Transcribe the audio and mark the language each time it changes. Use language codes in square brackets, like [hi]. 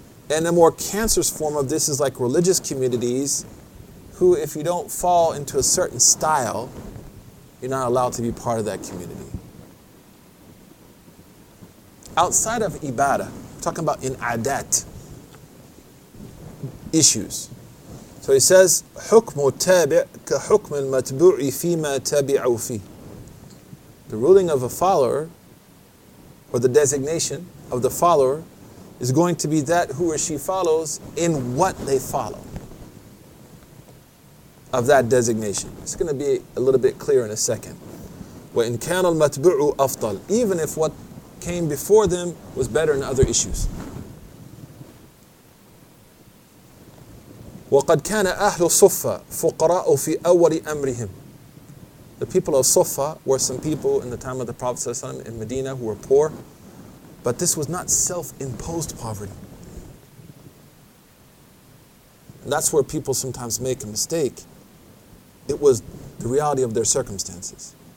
[en] And a more cancerous form of this is like religious communities who, if you don't fall into a certain style, you're not allowed to be part of that community. Outside of ibadah, talking about in adat, issues. So he says, [ar] حُكْمُ تَابِعْ كَحُكْمِ الْمَتْبُوعِ فِي مَا تَابِعُوا فِي. [en] The ruling of a follower, or the designation of the follower, is going to be that who or she follows in what they follow of that designation. It's going to be a little bit clearer in a second. [ar] وَإِنْ كَانَ الْمَتْبُعُ أَفْضَلُ. [en] Even if what came before them was better in other issues. [ar] وَقَدْ كَانَ أَهْلُ صُفَّةِ فُقَرَاءُ فِي أَوَّلِ أَمْرِهِمْ. [en] The people of Suffa were some people in the time of the Prophet ﷺ in Medina who were poor. But this was not self-imposed poverty. And that's where people sometimes make a mistake. It was the reality of their circumstances.